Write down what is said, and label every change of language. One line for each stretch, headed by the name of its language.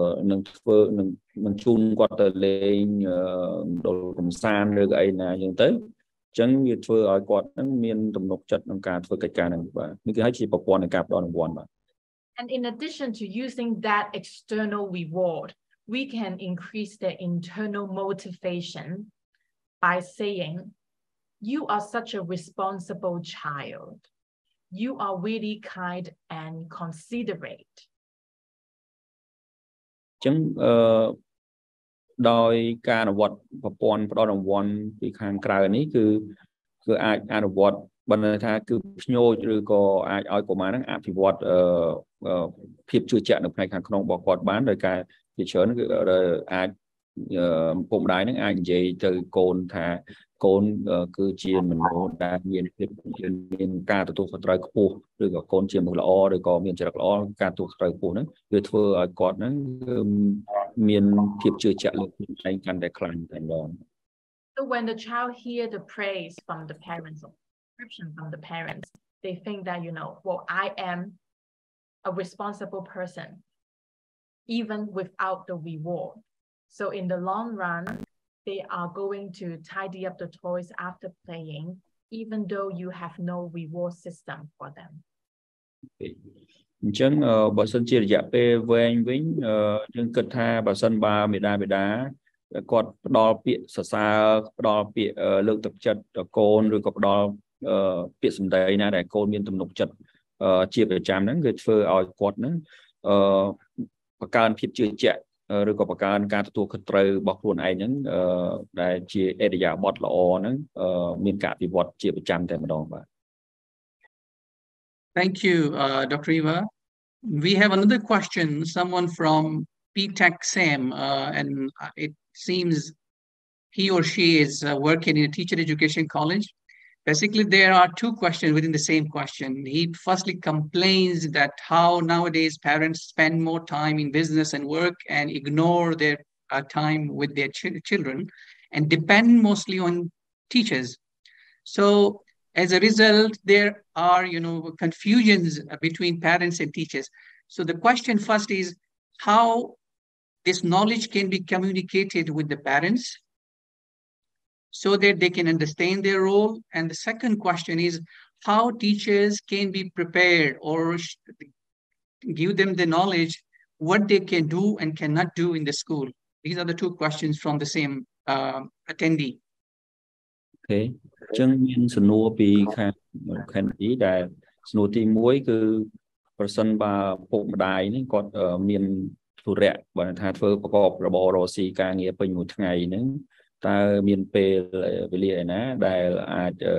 Khmer: នឹងជូនគាត់ទៅលេងដល់កំសាន្តឬក៏អីណាអញ្ចឹងទៅអញ្ចឹងវាធ្វើឲ្យគាត់នឹងមានទំនុកចិត្តក្នុងការធ្វើកិច្ចការនឹងបាទនេះគេហៅជាប្រព័ន្ធនៃការផ្តល់រង្វាន់បាទ
English: And in addition to using that external reward, we can increase their internal motivation by saying, you are such a responsible child. You are really kind and considerate.
Khmer: ចឹងដោយការអនុវត្តប្រព័ន្ធផ្តល់រង្វាន់ពីខាងក្រៅនេះគឺអាចអនុវត្តបើថាគឺភ្ញោចឬក៏អាចឲ្យកុមារនឹងអភិវឌ្ឍ ភាពជឿជាក់នៅផ្នែកខាងក្នុងរបស់គាត់បានដោយការជាច្រើនគឺអាចពុកម្ដាយនឹងអាចនិយាយទៅកូនថាកូនគឺជាមនុស្សដែលមានភាពមានការទទួលខុសត្រូវខ្ពស់ឬក៏កូនជាមនុស្សល្អឬក៏មានចរិតល្អការទទួលខុសត្រូវខ្ពស់ហ្នឹងវាធ្វើឲ្យគាត់ហ្នឹងមានភាពជឿជាក់លើខ្លួនឯងកាន់តែខ្លាំងតែម្ដង
English: So when the child hear the praise from the parents or description from the parents they think that you know well I am a responsible person even without the reward so in the long run they are going to tidy up the toys after playing even though you have no reward system for them
Khmer: អញ្ចឹងបើសិនជារយៈពេលវែងវិញយើងគិតថាបើសិនបើមេដាបេដាគាត់ផ្ដល់ពាក្យសរសើរផ្ដល់ពាក្យលើកទឹកចិត្តទៅកូនឬក៏ផ្ដល់ពាក្យសម្ដីណាដែលកូនមានទំនុកចិត្តជាប្រចាំហ្នឹងគឺធ្វើឲ្យគាត់ហ្នឹងបង្កើនភាពជឿជាក់ឬក៏បង្កើនការទទួលខុសត្រូវរបស់ខ្លួនឯងហ្នឹងដែលជាអេរិយាបទល្អហ្នឹងមានការអភិវឌ្ឍជាប្រចាំតែម្ដងបាទ
English: Thank you Dr. Eva We have another question someone from PTech Sam and it seems he or she is working in a teacher education college Basically there are two questions within the same question he firstly complains that how nowadays parents spend more time in business and work and ignore their time with their children and depend mostly on teachers so as a result there are you know confusions between parents and teachers so the question first is how this knowledge can be communicated with the parents so that they can understand their role and the second question is how teachers can be prepared or give them the knowledge what they can do and cannot do in the school these are the two questions from the same attendee
Khmer: okay ចឹងមានសំណួរពីខាង attendee ដែលសំណួរទី1គឺប្រសិនបើពុកម្ដាយនេះគាត់មានធុរៈបើថាធ្វើប្រកបរបររកស៊ីការងារពេញមួយថ្ងៃហ្នឹងតើមានពេលវេលាឯណាដែលអាច